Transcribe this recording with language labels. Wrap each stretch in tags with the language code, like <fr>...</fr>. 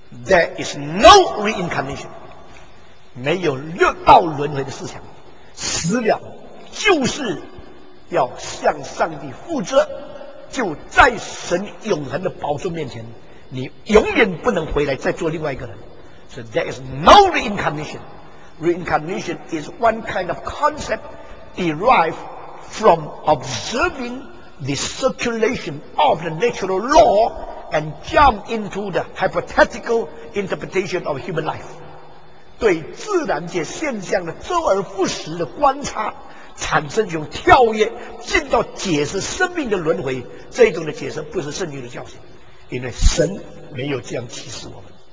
<en>There is no reincarnation.</en> <zh>没有六道轮回的思想，死了就是要向上帝负责，就在神永恒的宝座面前，你永远不能回来再做另外一个人，</zh> <en>So there is no reincarnation. Reincarnation is one kind of concept derived from observing the circulation of the natural law and jump into the hypothetical interpretation of human life.</en> <zh>对自然界现象的周而复始的观察产生一种跳跃，进到解释生命的轮回，这种的解释不是圣经的教训，因为神没有这样启示我们。</zh>